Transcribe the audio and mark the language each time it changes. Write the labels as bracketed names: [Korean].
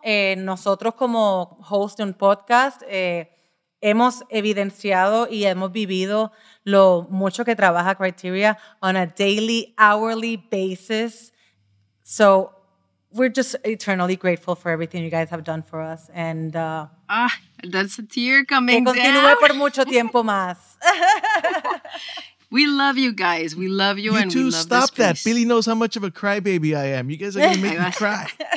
[Spanish] Nosotros como host de un podcast, hemos evidenciado y hemos vivido lo mucho que trabaja Criteria [English] on a daily, hourly basis. So we're just eternally grateful for everything you guys have done for us. And That's a tear coming down. [Spanish] Que continúe por mucho tiempo más. [English] We love you guys. We love you, you and too, we love stop this that. Piece. Billy knows how much of a crybaby I am. You guys are going to make me cry.